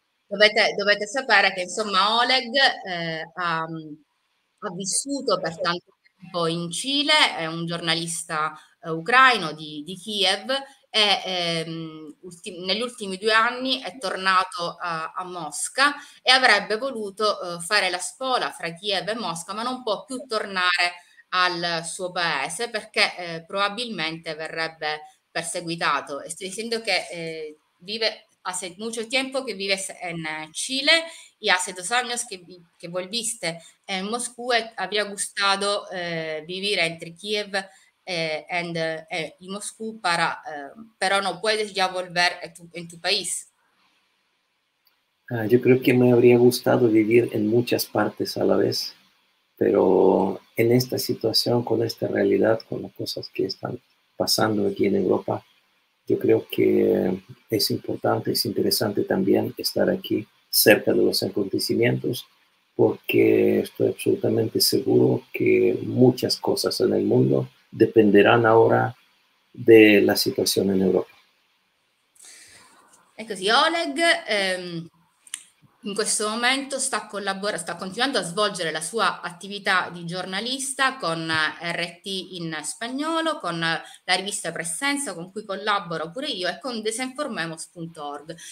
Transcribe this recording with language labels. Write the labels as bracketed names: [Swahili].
[Italian] Dovete sapere che insomma Oleg ha vissuto per tanto tempo in Cile, è un giornalista ucraino di Kiev e negli ultimi 2 anni è tornato a Mosca e avrebbe voluto fare la spola fra Kiev e Mosca, ma non può più tornare al suo paese perché probabilmente verrebbe perseguitato. E sto dicendo che vive a molto tempo che vive in Cile. [Spanish] E hace 2 años que volviste en Moscú, había gustado vivir entre Kiev y Moscú, pero no puedes ya volver en tu país. Yo creo que me habría gustado vivir en muchas partes a la vez, pero en esta situación, con esta realidad, con las cosas que están pasando aquí en Europa, yo creo que es importante, es interesante también estar aquí cerca de los acontecimientos, porque estoy absolutamente seguro que muchas cosas en el mundo dependerán ahora de la situación en Europa. [Italian] È così, Oleg in questo momento sta continuando a svolgere la sua attività di giornalista con RT in spagnolo, con la rivista Presenza con cui collaboro pure io e con desinformemos.org.